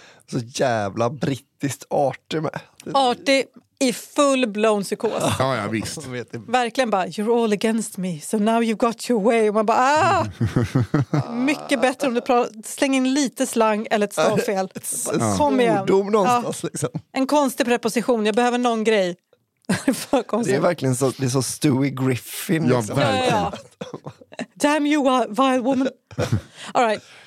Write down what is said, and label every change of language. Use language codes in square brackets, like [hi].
[sv] Så jävla brittiskt artig med. Artig i full blown psykos. Ja, ja, visst. Verkligen bara, [en] you're all against me, so now you've got your way. [sv] Och man bara, mycket bättre om du slänger in lite slang eller ett stavfel. Kom igen. Ordom någonstans, ja. Liksom. En konstig preposition, jag behöver någon grej. Det är verkligen så, det är så Stewie Griffin. Ja, liksom. Ja. [en] Damn you, vile woman. All right.